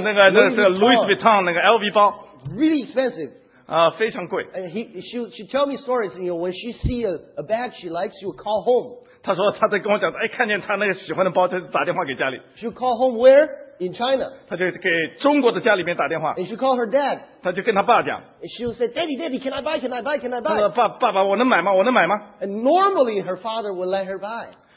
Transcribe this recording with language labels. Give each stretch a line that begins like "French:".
Chinese: 那个那是 Louis Vuitton 那个 LV 包。
English: Really expensive.
Chinese: 非常贵。
English: And she tell me stories, you know, when she see a bag she likes, she will call home.
Chinese: 她说她在跟我讲，哎，看见她那个喜欢的包，就打电话给家里。
English: She call home where? In China.
Chinese: 她就给中国的家里面打电话。
English: And she call her dad.
Chinese: 她就跟她爸讲。
English: And she will say, Daddy, can I buy?
Chinese: 她说爸爸，我能买吗？
English: And normally her father would let her buy.